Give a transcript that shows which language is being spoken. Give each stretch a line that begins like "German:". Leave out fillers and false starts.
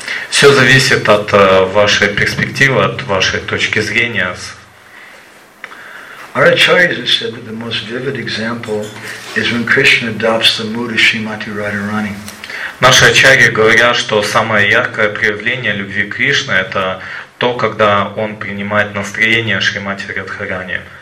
Russian: Все зависит от вашей перспективы, от вашей точки зрения.
English: Our acharyas said that the most vivid example is when Krishna adopts the mood of Srimati Radharani.
Russian: Наши ачарьи говорят, что самое яркое проявление любви Кришны – это то, когда Он принимает настроение Шримати Радхарани.